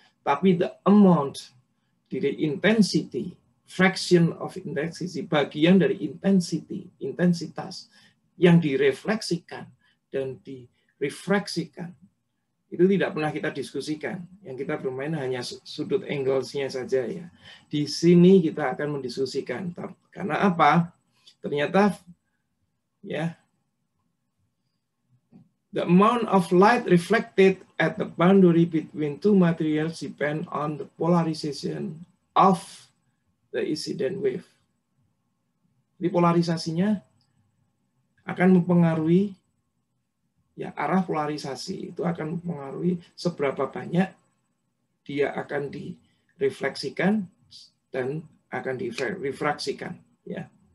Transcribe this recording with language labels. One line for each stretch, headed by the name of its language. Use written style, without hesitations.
Indonesian: Tapi
English: the amount, the intensity, fraction of intensity,
Indonesian: bagian dari intensity, intensitas yang direfleksikan dan direfraksikan, itu tidak pernah kita diskusikan. Yang kita bermain hanya sudut angles-nya saja ya. Di sini kita akan mendiskusikan. Karena apa? Ternyata ya,
English: the amount of light reflected at the boundary between two materials depend on the polarization of the incident wave.
Indonesian: Jadi polarisasinya akan mempengaruhi ya, arah polarisasi itu akan mempengaruhi seberapa banyak dia akan direfleksikan dan akan difraksikan. Ya.